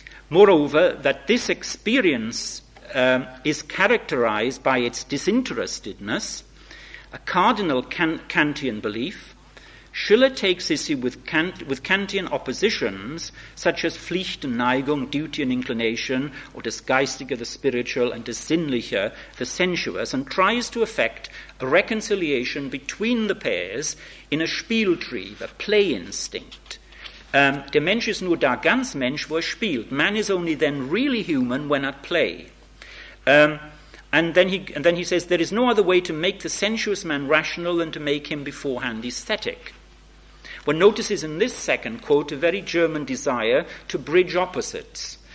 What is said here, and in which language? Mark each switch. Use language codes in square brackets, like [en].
[en] moreover, that this experience is characterized by its disinterestedness, a cardinal Kantian belief, Schiller takes issue with Kantian oppositions such as [de] Pflicht und Neigung, [en] duty and inclination, or [de] das Geistige, [en] the spiritual, and [de] das Sinnliche, [en] the sensuous, and tries to effect a reconciliation between the pairs in a Spieltrieb, the play instinct. [de] Der Mensch ist nur da ganz Mensch, wo spielt. [en] Man is only then really human when at play. And then he says, there is no other way to make the sensuous man rational than to make him beforehand aesthetic. One notices in this second quote a very German desire to bridge opposites.